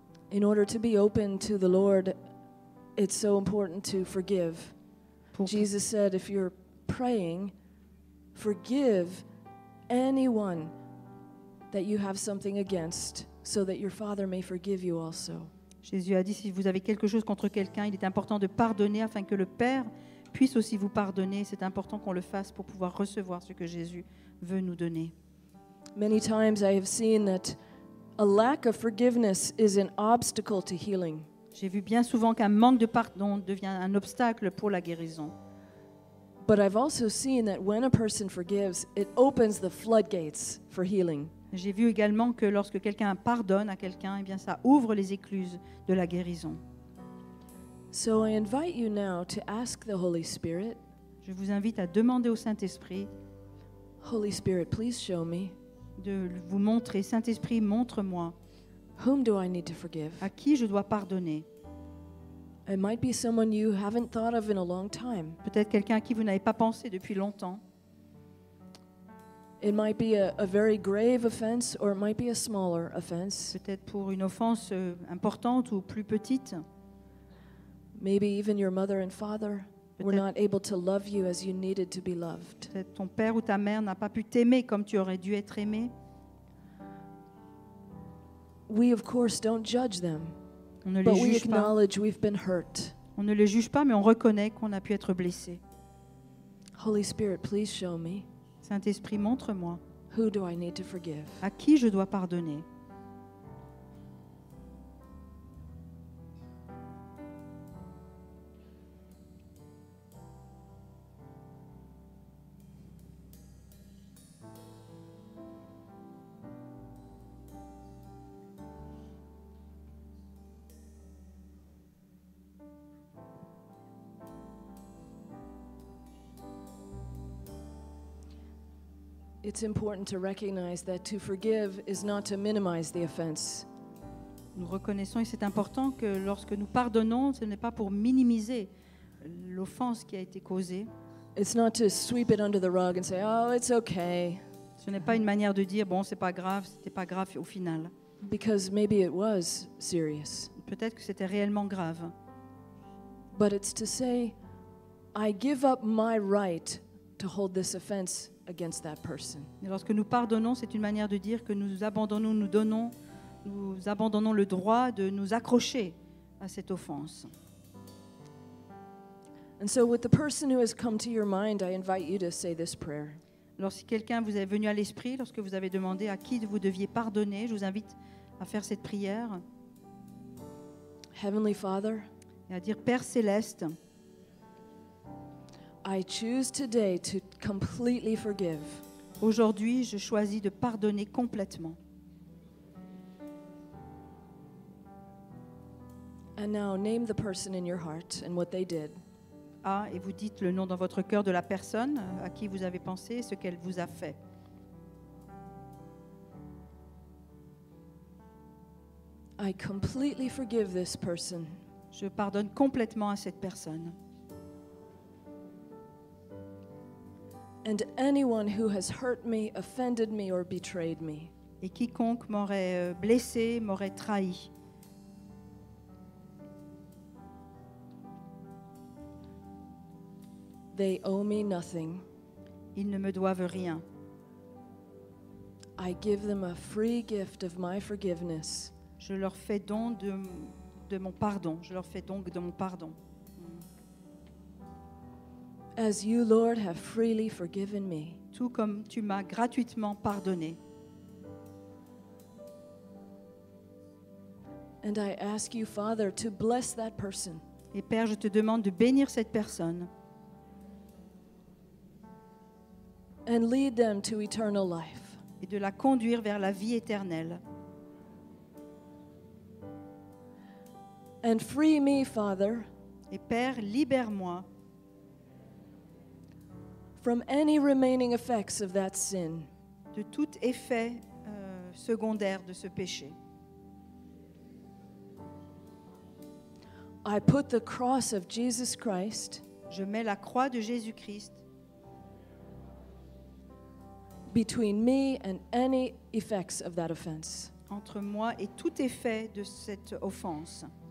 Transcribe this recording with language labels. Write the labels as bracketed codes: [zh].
[en] In order to be open to the Lord, it's so important to forgive. Jesus said, if you're praying, forgive anyone that you have something against, so that your Father may forgive you also. [fr] Jésus a dit, si vous avez quelque chose contre quelqu'un, il est important de pardonner afin que le Père puisse aussi vous pardonner. C'est important qu'on le fasse pour pouvoir recevoir ce que Jésus veut nous donner. [en] Many times I have seen that a lack of forgiveness is an obstacle to healing. [fr] J'ai vu bien souvent qu'un manque de pardon devient un obstacle pour la guérison. [en] But I've also seen that when a person forgives, it opens the floodgates for healing. [fr] J'ai vu également que lorsque quelqu'un pardonne à quelqu'un, eh bien ça ouvre les écluses de la guérison. [en] So I invite you now to ask the Holy Spirit. [fr] Je vous invite à demander au Saint-Esprit. [en] Holy Spirit, please show me. [fr] De vous montrer, Saint-Esprit, montre-moi. [en] Whom do I need to forgive? [fr] À qui je dois pardonner? [en] It might be someone you haven't thought of in a long time. [fr] Peut-être quelqu'un à qui vous n'avez pas pensé depuis longtemps. [en] It might be a very grave offense, or it might be a smaller offense. [fr] Peut-être pour une offense importante ou plus petite. [en] Maybe even your mother and father. were not able to love you as you needed to be loved. [fr] Ton père ou ta mère n'a pas pu t'aimer comme tu aurais dû être aimé. [en] We of course don't judge them. [fr] On ne les juge pas. [en] But we acknowledge we've been hurt. [fr] On ne les juge pas, mais on reconnaît qu'on a pu être blessé. [en] Holy Spirit, please show me. [fr] Saint-Esprit, montre-moi. [en] Who do I need to forgive? [fr] À qui je dois pardonner? [en] It's important to recognize that to forgive is not to minimize the offense. [fr] Nous reconnaissons et c'est important que lorsque nous pardonnons, ce n'est pas pour minimiser l'offense qui a été causée. [en] It's not to sweep it under the rug and say, "Oh, it's okay." [fr] Ce n'est pas une manière de dire, bon, c'est pas grave, c'était pas grave au final. [en] Because maybe it was serious. [fr] Peut-être que c'était réellement grave. [en] But it's to say, "I give up my right to hold this offense." Against that person. [fr] Et lorsque nous pardonnons, c'est une manière de dire que nous abandonnons le droit de nous accrocher à cette offense. [en] And so with the person who has come to your mind, I invite you to say this prayer. [fr] Lorsque quelqu'un vous est venu à l'esprit, lorsque vous avez demandé à qui vous deviez pardonner, je vous invite à faire cette prière. [en] Heavenly Father, [fr] et à dire Père céleste, [en] I choose today to completely forgive. [fr] Aujourd'hui, je choisis de pardonner complètement. [en] And now name the person in your heart and what they did. [fr] Ah, et vous dites le nom dans votre cœur de la personne à qui vous avez pensé et ce qu'elle vous a fait. [en] I completely forgive this person. [fr] Je pardonne complètement à cette personne. [en] And anyone who has hurt me, offended me, or betrayed me. [fr] Et quiconque m'aurait blessé, m'aurait trahi. [en] They owe me nothing. [fr] Ils ne me doivent rien. [en] I give them a free gift of my forgiveness. [fr] Je leur fais don de mon pardon. Je leur fais donc de mon pardon. [en] As you, Lord, have freely forgiven me. [fr] Tout comme tu m'as gratuitement pardonné. [en] And I ask you, Father, to bless that person. [fr] Et Père, je te demande de bénir cette personne. [en] And lead them to eternal life. [fr] Et de la conduire vers la vie éternelle. [en] And free me, Father. [fr] Et Père, libère-moi. [en] From any remaining effects of that sin. [fr] De tout effet secondaire de ce péché. [en] I put the cross of Jesus Christ. [fr] Je mets la croix de Jésus-Christ. [en] Between me and any effects of that offense. [fr] Entre moi et tout effet de cette offense.